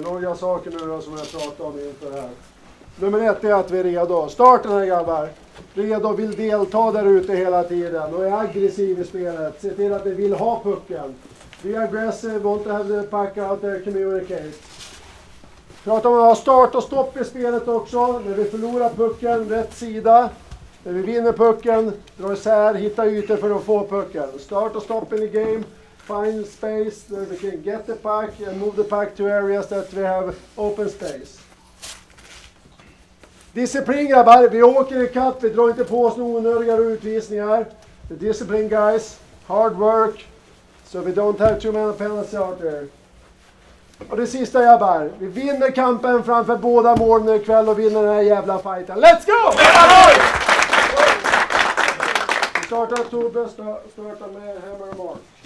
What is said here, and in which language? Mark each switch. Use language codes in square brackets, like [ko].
[sv] Några saker nu då som jag pratade om inför det här. Nummer ett är att vi är redo. Starta den här grabbar. Redo, vill delta där ute hela tiden och är aggressiv i spelet. Se till att vi vill ha pucken. [en] Be aggressive, won't have the pack out there, communicate. [sv] Prata om att ha start och stopp i spelet också. När vi förlorar pucken, rätt sida. När vi vinner pucken, dra isär, hitta ytor för att få pucken. [en] Start och stopp in the game. Find space where we can get the pack and move the pack to areas that we have open space. [sv] Disciplin grabbar, vi åker i kapp, vi drar inte på oss några onödiga utvisningar. [en] The discipline guys, hard work, so we don't have too many penalties out there. [sv] Och det sista grabbar, vi vinner kampen framför båda målen ikväll och vinner den här jävla fighten. [en] Let's go! [sv] Vi startar Tobbe, startar med Hammer och Mark.